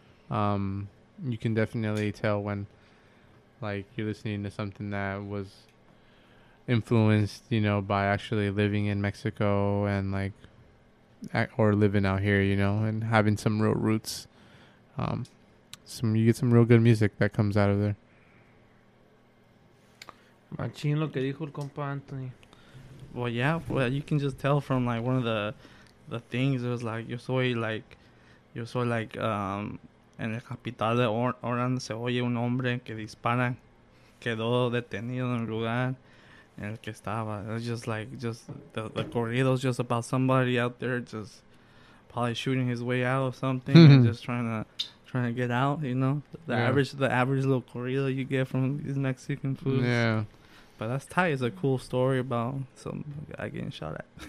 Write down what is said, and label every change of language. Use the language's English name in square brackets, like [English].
[English] You can definitely tell when, like, you're listening to something that was influenced, you know, by actually living in Mexico and, like, or living out here, you know, and having some real roots. You get some real good music that comes out of there. [Spanish] Machín lo que dijo el compa Anthony. [English] Well, yeah, well, you can just tell from, like, one of the things. It was like, [Spanish] yo soy like, en el capital de Oran se oye un hombre que dispara, quedó detenido en el lugar en el que estaba. [English] It's just like, just the corrido is just about somebody out there just probably shooting his way out of something and just trying to get out, you know? The average little corrido you get from these Mexican foods. Yeah. But that's tight. It's a cool story about some guy getting shot at.